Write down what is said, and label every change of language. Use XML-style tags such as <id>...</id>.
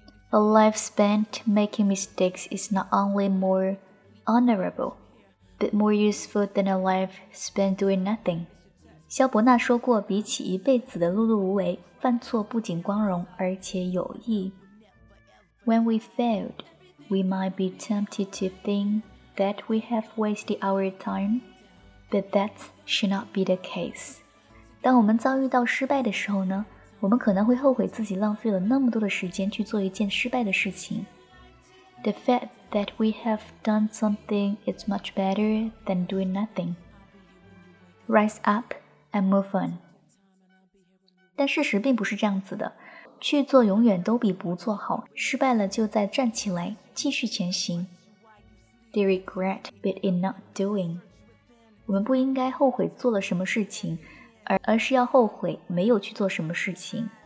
<en>A life spent making mistakes is not only more honorable but more useful than a life spent doing nothing。</en> <zh>萧伯纳说过，比起一辈子的碌碌无为，犯错不仅光荣而且有益。</zh> <en>When we failedWe might be tempted to think that we have wasted our time, but that should not be the case.</en> <zh>当我们遭遇到失败的时候呢，我们可能会后悔自己浪费了那么多的时间去做一件失败的事情。</zh> <en>The fact that we have done something is much better than doing nothing. Rise up and move on.</en> <zh>但事实并不是这样子的。去做永远都比不做好，失败了就再站起来继续前行。</zh> <en>The regret bit in not doing，</en> <zh>我们不应该后悔做了什么事情，而是要后悔没有去做什么事情。</zh>